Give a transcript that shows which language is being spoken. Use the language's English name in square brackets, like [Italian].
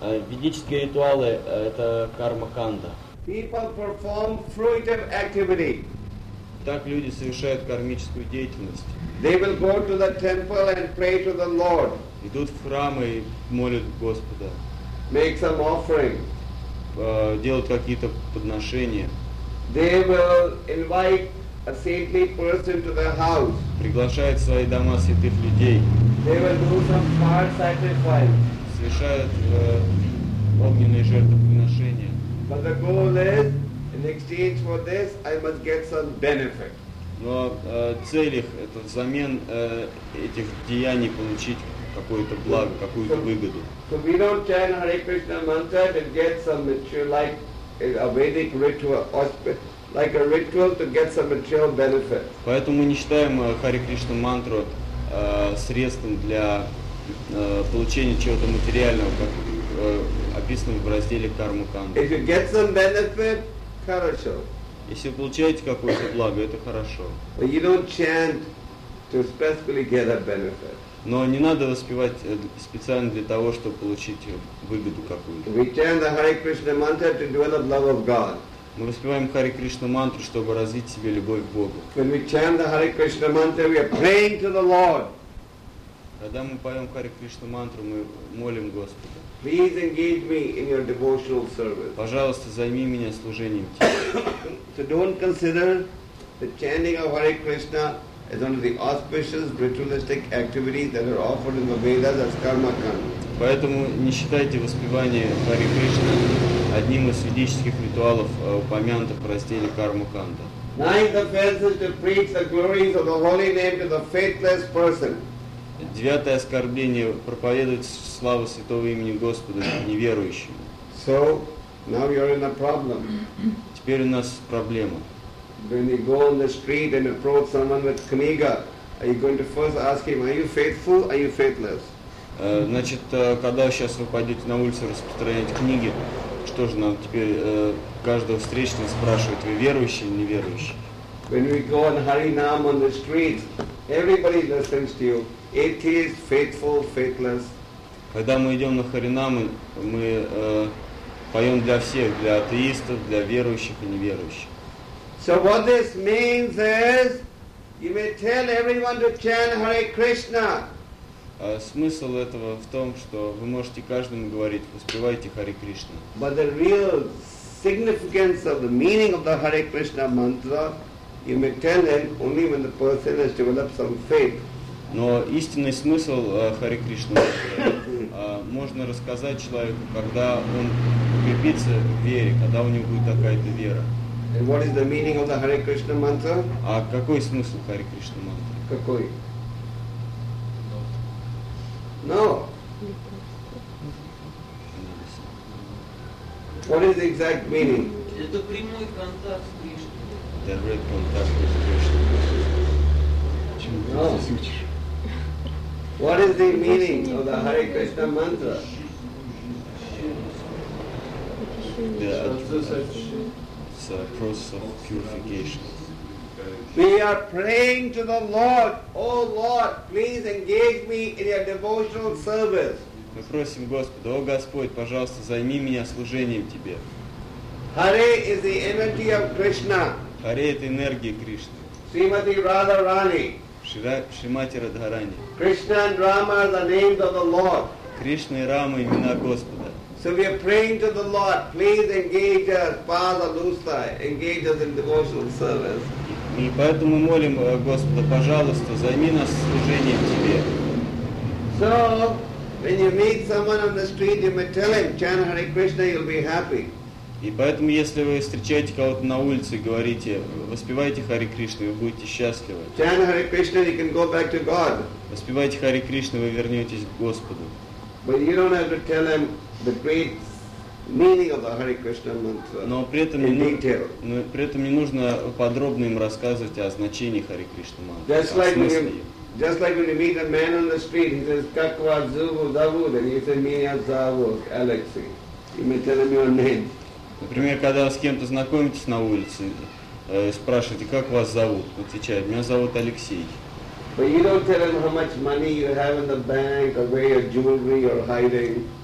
[Russian] Ведические ритуалы это карма канда. [English] People perform fruitive activity. [Russian] Так люди совершают кармическую деятельность. [English] They will go to the temple and pray to the Lord. [Russian] Идут в храм и молят Господа. [English] Make some offering. [Russian] Делают какие-то подношения. [English] They will invite a saintly person to their house. [Russian] Приглашают в свои дома святых людей. [English] They will do some fire sacrifice. [Russian] Совершают огненные жертвоприношения. [English] But the goal is, in exchange for this, I must get some benefit. [Russian] Но цель их это взамен этих деяний получить какое-то благо, какую-то выгоду. [English] So we don't chant Hare Krishna mantra to get some material, like a Vedic ritual, like a ritual to get some material benefit. [Russian] Поэтому мы не считаем Hare Krishna мантру средством для получения чего-то материального, как описано в разделе карма канда. [English] If you get some benefit, [Russian] хорошо. Если вы получаете какое-то благо, это хорошо. [English] But you don't chant to specifically get a benefit. [Russian] Но не надо воспевать специально для того, чтобы получить выгоду какую-то. [English] We chant the Hare Krishna mantra to develop love of God. [Russian] Мы воспеваем Харе Кришна мантру, чтобы развить в себе любовь к Богу. [English] When we chant the Hare Krishna mantra, we are praying to the Lord. [Russian] Когда мы поем Харе Кришна мантру, мы молим Господа. [English] Please engage me in your devotional service. [Russian] Пожалуйста, займи меня служением тебе. [English] So don't consider the chanting of Hare Krishna as one of the auspicious ritualistic activities that are offered in the Vedas as karma kanda. [Russian] Поэтому не считайте воспевание Харе Кришны одним из ведических ритуалов, упомянутых в разделе карма канда. [English] Ninth offense is to preach the glories of the holy name to the faithless person. [Russian] Девятое оскорбление проповедовать славу святого имени Господа неверующим. [English] So now you're in a problem. [Russian] Теперь у нас проблема. [English] When you go on the street and approach someone with [Russian] книга, [English] are you going to first ask him, are you faithful, are you faithless? [Russian] Значит, когда сейчас вы пойдете на улицу распространять книги, что же нам теперь каждого встречного спрашивает, вы верующий или неверующий? [English] When we go on Харинам on the street, everybody listens to you. It is faithful, faithless. [Russian] Когда мы идем на Харинам, мы поем для всех, для атеистов, для верующих и неверующих. [English] So what this means is, you may tell everyone to chant Hare Krishna. [Russian] Смысл этого в том, что вы можете каждому говорить, воспевайте Харе Кришна. [English] But the real significance of the meaning of the Hare Krishna mantra, you may tell it only when the person has developed some faith. [Russian] Но истинный смысл Харе Кришна можно рассказать человеку, когда он укрепится в вере, когда у него будет такая-то вера. [English] And what is the meaning of the Hare Krishna mantra? [Russian] А какой смысл Харе Кришна мантры? Какой? [English] No. What is the exact meaning? [Russian] Это прямой контакт с Кришной. [English] Direct contact with Krishna. No. What is the meaning of the Hare Krishna mantra? It's a process of purification. We are praying to the Lord. Oh Lord, please engage me in your devotional service. [Russian] Мы просим Господа, о Господь, пожалуйста, займи меня служением Тебе. [English] Hare is the energy of Krishna. [Russian] Hare это энергия Кришны. [English] Srimati Radharani. [Russian] Шримати Радхарани. [English] Krishna and Rama are the names of the Lord. [Russian] Кришна и Рама имена Господа. [English] So we are praying to the Lord. Please engage us, [Russian] Pala Lusta, [English] engage us in devotional service. [Russian] И поэтому мы молим Господа, пожалуйста, займи нас служением Тебе. [English] So, when you meet someone on the street, you may tell him, chant Hare Krishna, you'll be happy. [Russian] И поэтому, если вы встречаете кого-то на улице, говорите, воспевайте Харе Кришну, вы будете счастливы. [English] Chant Hare Krishna, you can go back to God. [Russian] Воспевайте Харе Кришну, вы вернетесь к Господу. [English] But you don't have to tell him the great meaning of the Hare Krishna mantra. [Russian] Но при этом не нужно подробно им рассказывать о значении Харе Кришна мантры. [English] Just like when you meet a man on the street, he says [Russian] Kakwa Zubu Zavu, [English] then you say [Russian] Mia Zavu, [English] Alexei. You may tell him your name. [Russian] Например, когда вы с кем-то знакомитесь на улице, спрашиваете, как вас зовут, отвечает, меня зовут Алексей. [English] But you don't tell him how much money you have in the bank or where your jewelry you're hiding.